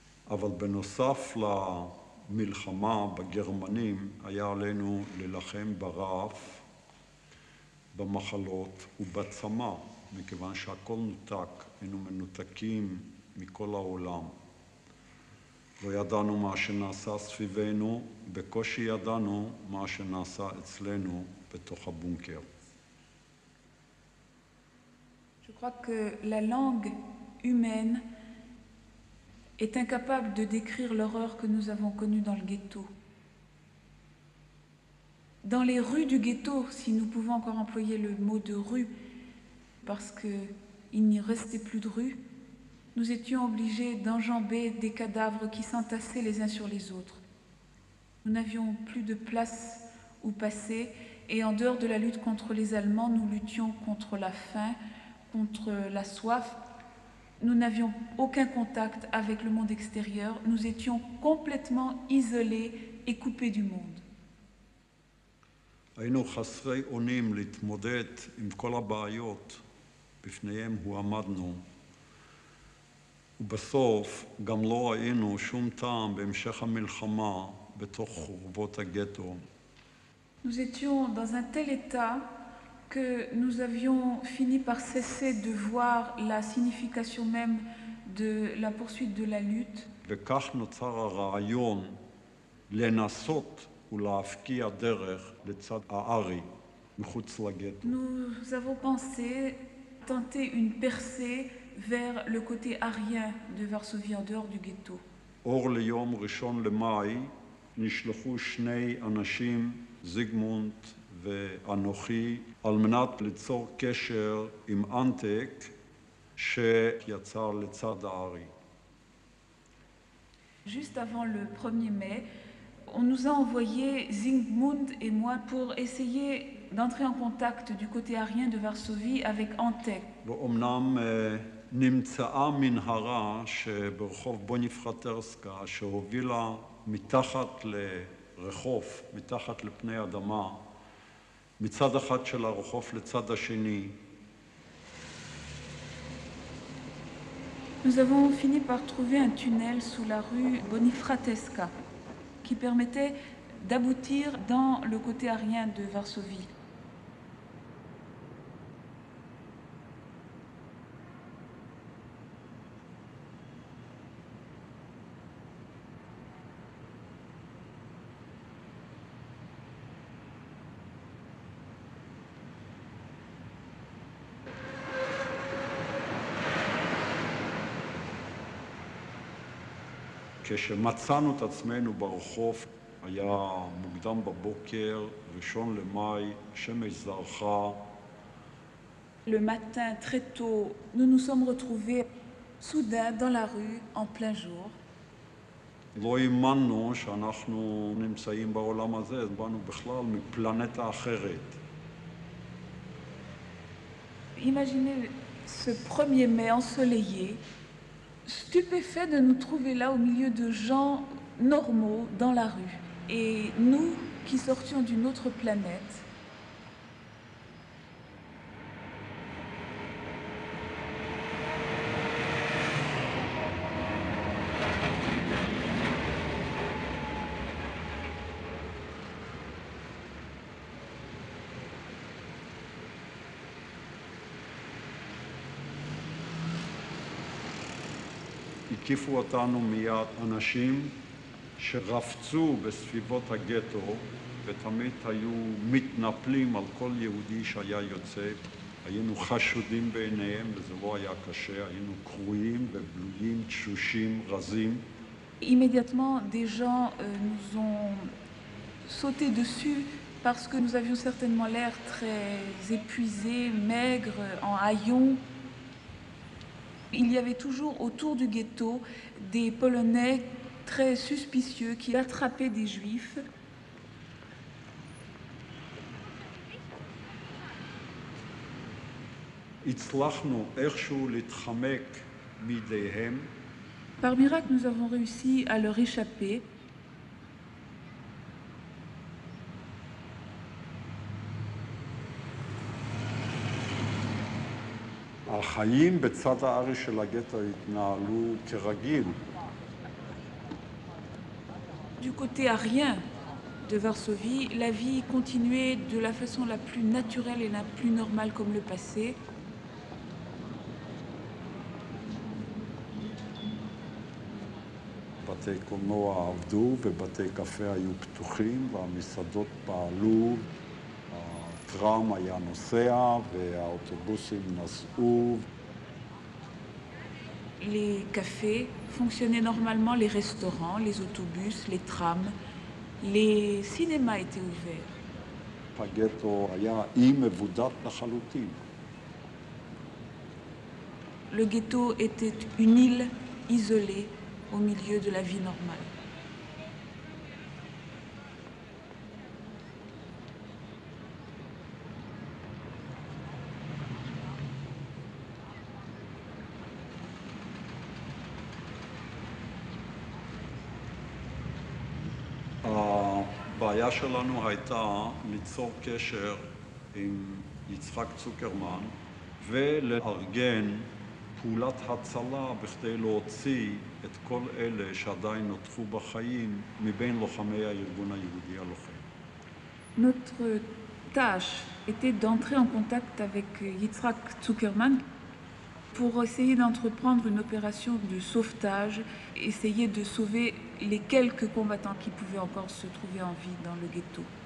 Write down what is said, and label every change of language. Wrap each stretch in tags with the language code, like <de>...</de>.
<he>אבל בנוסף למלחמה בגרמנים, היה עלינו ללחם ברעף, במחלות ובצמא, מכיוון שהכל נותק, היינו מנותקים מכל העולם. לא ידענו מה שנעשה סביבנו, בקושי ידענו מה שנעשה אצלנו בתוך הבונקר.</he> <fr>Je crois que la langue humaine est incapable de décrire l'horreur que nous avons connue dans le ghetto. Dans les rues du ghetto, si nous pouvons encore employer le mot de rue, parce qu'il n'y restait plus de rue, nous étions obligés d'enjamber des cadavres qui s'entassaient les uns sur les autres. Nous n'avions plus de place où passer, et en dehors de la lutte contre les Allemands, nous luttions contre la faim, contre la soif. Nous n'avions aucun contact avec le monde extérieur. Nous étions complètement isolés et coupés du monde.</fr> <he>היינו חסרי אונים להתמודד עם כל הבעיות בפניהם הועמדנו. ובסוף גם לא ראינו שום טעם בהמשך המלחמה בתוך חורבות הגטו.</he> <fr>Nous étions dans un tel état que nous avions fini par cesser de voir la signification même de la poursuite de la lutte.</fr> <he>וכך נוצר הרעיון לנסות ולהפקיע דרך לצד הארי מחוץ לגטו.</he> <fr>Nous avons pensé tenter une percée vers le côté arien de Varsovie en dehors du ghetto. Or le jour 1er mai,</fr> <he>נשלחו שני אנשים, זיגמונד ואנוכי, על מנת ליצור קשר עם אנטק שיצא לצד הארי.</he> <fr>Juste avant le 1er mai, on nous a envoyé Zygmunt et moi pour essayer d'entrer en contact du côté arien de Varsovie avec Antek.</fr> <he>ואומנם נמצאה מנהרה שברחוב בוניפרטרסקה שהובילה מתחת לרחוב, מתחת לפני אדמה, מצד אחד של הרחוב לצד השני.</he> <fr>Nous avons fini par trouver un tunnel sous la rue Bonifratesca qui permettait d'aboutir dans le côté arien de Varsovie.</fr> <he>כשמצאנו את עצמנו ברחוב, היה מוקדם בבוקר, 1 למאי, שמש זרחה.</he> <fr>Le matin, très tôt, nous nous sommes retrouvés soudain dans la rue, en plein jour.</fr> <he>לא האמנו שאנחנו נמצאים בעולם הזה, באנו בכלל מפלנטה אחרת.</he> <fr>Imaginez ce 1er mai ensoleillé. Stupéfait de nous trouver là au milieu de gens normaux dans la rue. Et nous qui sortions d'une autre planète.</fr> <he>הקיפו אותנו מיד אנשים שרפצו בסביבות הגטו ותמיד היו מתנפלים על כל יהודי שהיה יוצא. היינו חשודים בעיניהם וזה לא היה קשה, היינו קרועים ובלויים, תשושים, רזים.</he> <fr>Immédiatement, des gens nous ont sauté dessus parce que nous avions certainement l'air très épuisés, maigres, en haillons. Il y avait toujours autour du ghetto des Polonais très suspicieux qui attrapaient des Juifs.</fr> <he>Itzlachnu erchu litchamek midehem.</he> <fr>Par miracle, nous avons réussi à leur échapper.</fr> <he>החיים בצד הארי של הגטו התנהלו כרגיל.</he> <fr>Du côté arien de Varsovie, la vie continuait de la façon la plus naturelle et la plus normale comme le passé.</fr> <he>בתי קולנוע עבדו ובתי קפה היו פתוחים והמסעדות פעלו. הטראם היה נוסע והאוטובוסים נסעו.</he> <fr>Les cafés fonctionnaient normalement, les restaurants, les autobus, les trams, les cinémas étaient ouverts. Le ghetto était une île isolée au milieu de la vie normale.</fr> <he>הבעיה שלנו הייתה ליצור קשר עם יצחק צוקרמן ולארגן פעולת הצלה בכדי להוציא את כל אלה שעדיין נותרו בחיים מבין לוחמי הארגון היהודי הלוחם.</he> <fr>Notre tâche était d'entrer en contact avec יצחק צוקרמן pour essayer d'entreprendre une opération de sauvetage, essayer de sauver les quelques combattants qui pouvaient encore se trouver en vie dans le ghetto.</fr>